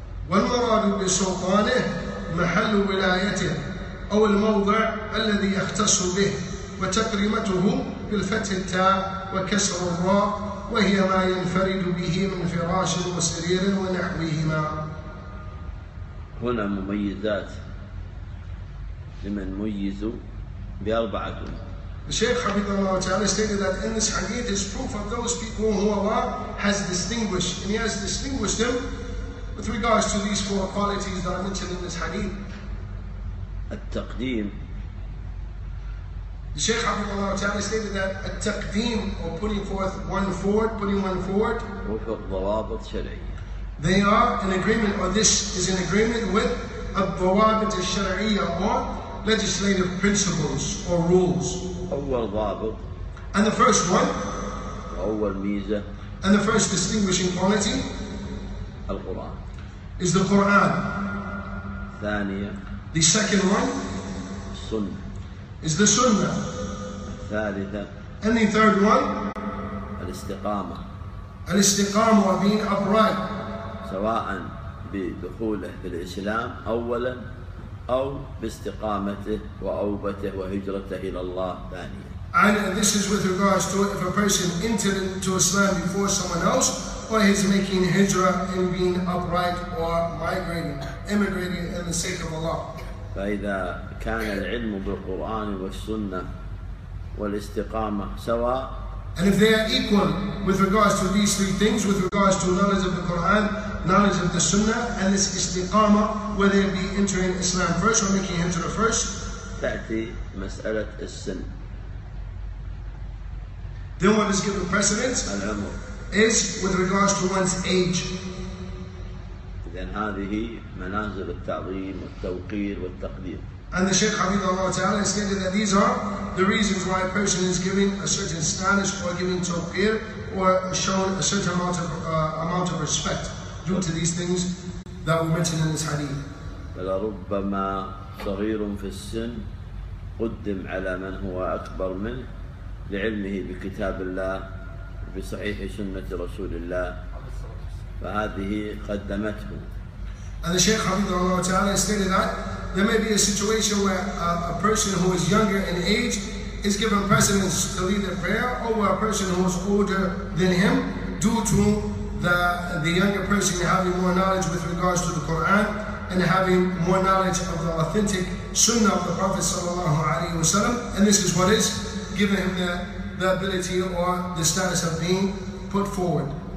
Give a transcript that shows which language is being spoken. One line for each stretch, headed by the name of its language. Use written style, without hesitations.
Arabic: والمراد بسلطانه محل ولايته أو الموضع الذي يختص به وتكريمته بالفتح التاء وكسر الراء وهي ما ينفرد به من فراش وسرير ونحوهما. هنا مميزات لمن ميزوا بأربعة.
English: The Shaykh
Arabic: حفظه الله تعالى
English: stated that in this hadith is proof of those people who Allah has distinguished and He has distinguished them with regards to these four qualities that are mentioned in this hadith.
Arabic: التقديم.
English: The Shaykh
Arabic: حفظه الله تعالى
English: stated that التقديم or putting one forward.
Arabic: وفق ضوابط شرعية.
English: They are in agreement, or this is in agreement with الضوابط الشرعية or legislative principles or rules.
Arabic: أول ضابط.
English: And the first one.
Arabic: أول ميزة.
English: And the first distinguishing quality.
Arabic: القرآن.
English: Is the Quran.
Arabic: ثانية.
English: The second one.
Arabic: السنة.
English: Is the Sunnah.
Arabic: الثالثة.
English: And the third one.
Arabic: الاستقامة.
English: الاستقامة or being upright.
Arabic: سواء بدخوله في الإسلام أولا أو باستقامته وأوبته وهجرته إلى الله ثانيا.
English: And this is with regards to if a person entered into Islam before someone else, or he's making hijrah in being upright or migrating, immigrating in the sake of Allah.
Arabic: فإذا كان العلم بالقرآن والسنة والاستقامة سواء.
English: And if they are equal with regards to these three things, with regards to knowledge of the Quran, knowledge of the Sunnah, and this istiqama, whether it be entering Islam first or making hijrah first.
Arabic: تأتي مسألة السن.
English: Then what is given precedence is with regards to one's age.
Arabic: إذن هذه منازل التعظيم والتوقير والتقدير.
English: And the Shaykh Hafidhahullah Ta'ala stated that these are the reasons why a person is given a certain status or given tawqir or shown a certain amount of respect due to these things that were mentioned in this hadith.
Arabic: فلربما صغير في السن قدم على من هو أكبر منه لعلمه بكتاب الله بصحيح سنة رسول الله فهذه قدمته.
English: And the Shaykh Hafidhahullah Ta'ala stated that there may be a situation where a person who is younger in age is given precedence to lead the prayer over a person who is older than him due to the younger person having more knowledge with regards to the Quran and having more knowledge of the authentic Sunnah of the Prophet sallallahu alaihi wasallam, and this is what is giving him the ability or the status of being put forward.